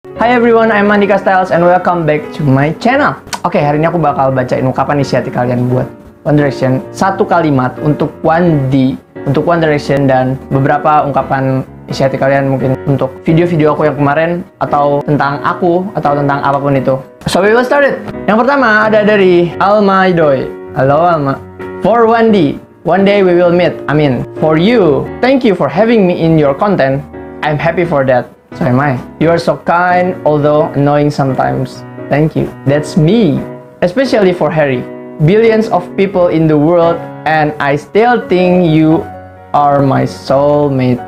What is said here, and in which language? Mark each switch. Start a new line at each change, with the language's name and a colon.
English: Hi everyone, I'm Mandika Styles and welcome back to my channel.
Indonesian: Okay, hari ini aku bakal bacain ungkapan isi hati kalian buat One Direction. Satu kalimat untuk 1D, untuk One Direction dan beberapa ungkapan isi hati kalian mungkin untuk video-video aku yang kemarin atau tentang aku atau tentang apapun itu.
English: So we will start it.
Indonesian: Yang pertama ada dari Alma Idoy. Halo Alma.
English: For 1D, one day we will meet, I mean, for you. Thank you for having me in your content. I'm happy for that. So am I. You are so kind, although annoying sometimes. Thank you. That's me. Especially for Harry. Billions of people in the world, and I still think you are my soulmate.